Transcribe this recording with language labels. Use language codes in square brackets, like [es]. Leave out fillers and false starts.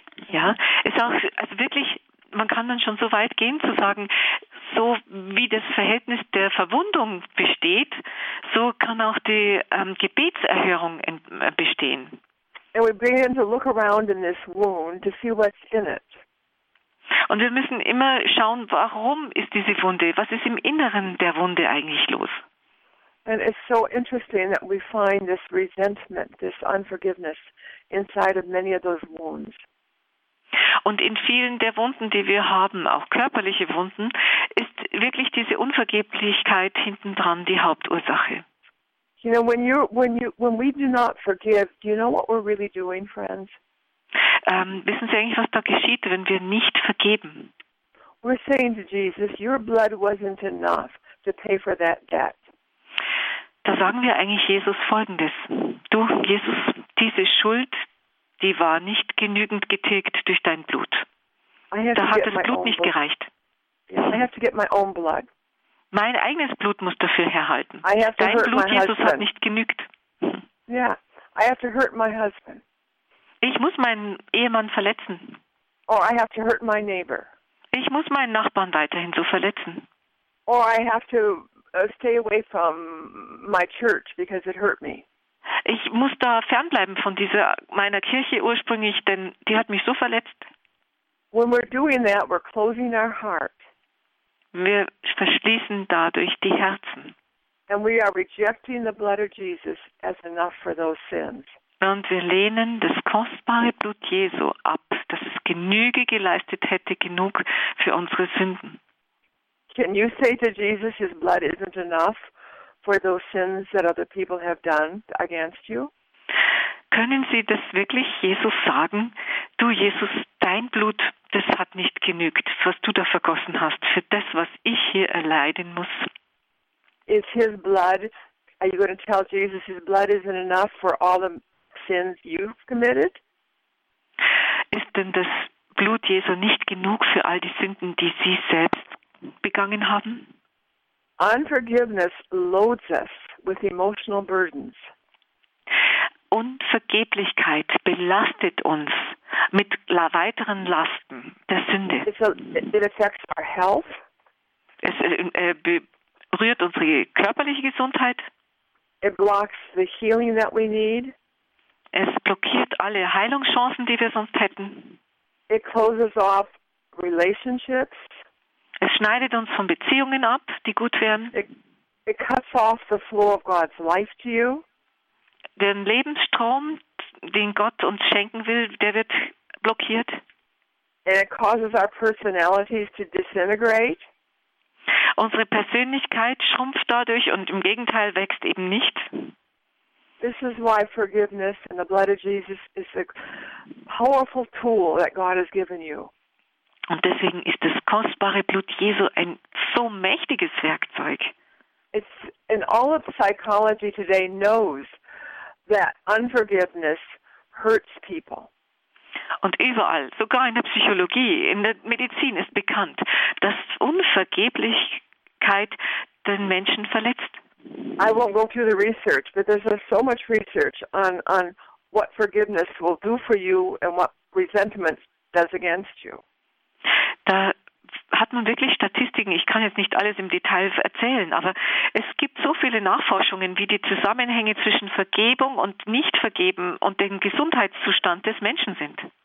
[de] Ja, ist auch, also wirklich, man kann dann schon so weit gehen zu sagen, so wie das Verhältnis der Verwundung besteht, so kann auch die Gebetserhörung bestehen. [en] And we begin to look around in this wound to see what's in it. [de] Und wir müssen immer schauen, warum ist diese Wunde? Was ist im Inneren der Wunde eigentlich los? [en] And it's so interesting that we find this resentment, this unforgiveness inside of many of those wounds. [de] Und in vielen der Wunden, die wir haben, auch körperliche Wunden, ist wirklich diese Unvergeblichkeit hintendran die Hauptursache. [en] You know, when we do not forgive, do you know what we're really doing, friends? [de] Wissen Sie eigentlich, was da geschieht, wenn wir nicht vergeben? [en] We're saying to Jesus, your blood wasn't enough to pay for that debt. [de] Da sagen wir eigentlich Jesus Folgendes. Du, Jesus, diese Schuld, die war nicht genügend getilgt durch dein Blut. Da hat das Blut nicht gereicht. [en] I have to get my own blood. [de] Mein eigenes Blut muss dafür herhalten. Dein Blut, Jesus, hat nicht genügt. [en] Yeah, I have to hurt my husband. [de] Ich muss meinen Ehemann verletzen. [en] Or I have to hurt my neighbor. [de] Ich muss meinen Nachbarn weiterhin so verletzen. [en] Or I have to stay away from my church because it hurt me. [de] Ich muss da fernbleiben von dieser meiner Kirche ursprünglich, denn die hat mich so verletzt. [en] When we're doing that, we're closing our heart. [de] Wir verschließen dadurch die Herzen. [en] And we are rejecting the blood of Jesus as enough for those sins. [de] Und wir lehnen das kostbare Blut Jesu ab, dass es Genüge geleistet hätte, genug für unsere Sünden. [en] Can you say to Jesus, his blood isn't enough for those sins that other people have done against you? [de] Können Sie das wirklich Jesus sagen? Du, Jesus, dein Blut, das hat nicht genügt, was du da vergossen hast, für das, was ich hier erleiden muss. [en] Is his blood, are you going to tell Jesus his blood isn't enough for all the sins you've committed? [de] Ist denn das Blut Jesu nicht genug für all die Sünden, die Sie selbst begangen haben? [en] Unforgiveness loads us with emotional burdens. [de] Unvergeblichkeit belastet uns mit weiteren Lasten der Sünde. [en] It affects our health. [de] Es berührt unsere körperliche Gesundheit. [en] It blocks the healing that we need. [de] Es blockiert alle Heilungschancen, die wir sonst hätten. [en] It closes off relationships. [de] Es schneidet uns von Beziehungen ab, die gut wären. [en] It cuts off the flow of God's life to you. [de] Den Lebensstrom, den Gott uns schenken will, der wird blockiert. [en] And it causes our personalities to disintegrate. [de] Unsere Persönlichkeit schrumpft dadurch und im Gegenteil wächst eben nicht. [en] This is why forgiveness and the blood of Jesus is a powerful tool that God has given you. [de] Und deswegen ist das kostbare Blut Jesu ein so mächtiges Werkzeug. [en] It's in all of psychology today knows that unforgiveness hurts people. [de] Und überall, sogar in der Psychologie, in der Medizin ist bekannt, dass Unvergeblichkeit den Menschen verletzt. [en] I won't go through the research, but there's so much research on what forgiveness will do for you and what resentment does against you. [de] Da hat man wirklich Statistiken. Ich kann jetzt nicht alles im Detail erzählen, aber es gibt so viele Nachforschungen, wie die Zusammenhänge zwischen Vergebung und Nichtvergeben und dem Gesundheitszustand des Menschen sind.